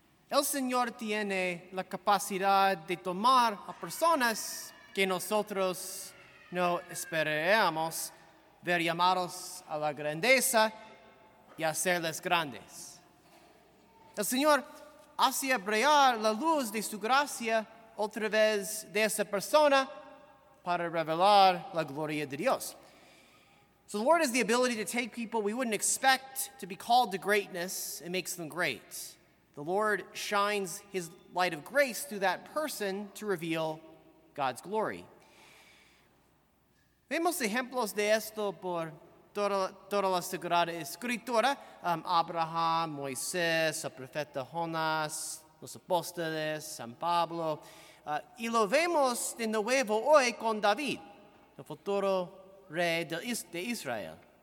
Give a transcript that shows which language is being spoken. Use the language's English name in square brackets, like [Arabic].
[Spanish] El Señor tiene la capacidad de tomar a personas que nosotros no esperamos ver llamados a la grandeza y hacerles grandes. El Señor hace brillar la luz de su gracia otra vez de esa persona para revelar la gloria de Dios. [English] So the Lord has the ability to take people we wouldn't expect to be called to greatness and makes them great. The Lord shines his light of grace through that person to reveal God's glory. [Spanish] Vemos ejemplos de esto por toda la Sagrada Escritura. Abraham, Moisés, el profeta Jonás, los apóstoles, San Pablo. Y lo vemos de nuevo hoy con David, el futuro rey de Israel.